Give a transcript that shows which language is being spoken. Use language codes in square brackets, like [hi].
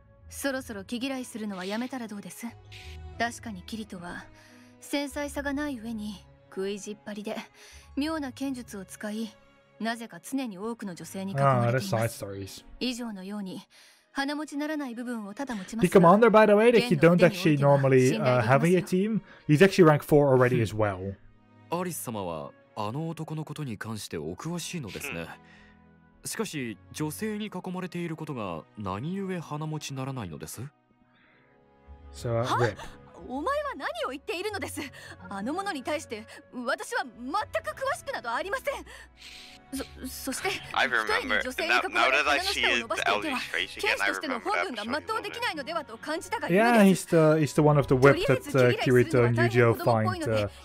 [ja] そろそろ気嫌いするのはやめたらどうです。確かにキリトは繊細さがない上に。食いじっぱりで妙な剣術を使いなぜか常に多くの女性に囲まれています。以上のように鼻持ちならない部分をただ持ちます。 [en] The commander, by the way, that you don't actually normally have in your team, he's actually rank 4 already as well. [ja] アリス様はあの男のことに関してお詳しいのですね。しかし女性に囲まれていることが何故鼻持ちならないのです。 [en] So, [ja] お前は何を言っているのです。あのものに対して私は全く詳しくなどありません。そして一人に女性に囲まれて鼻の下を伸ばしていては剣士としての本分が全うできないのではと感じたがゆえです。 [en] Yeah, he's the one of the whip that Kirito and Yujiro find.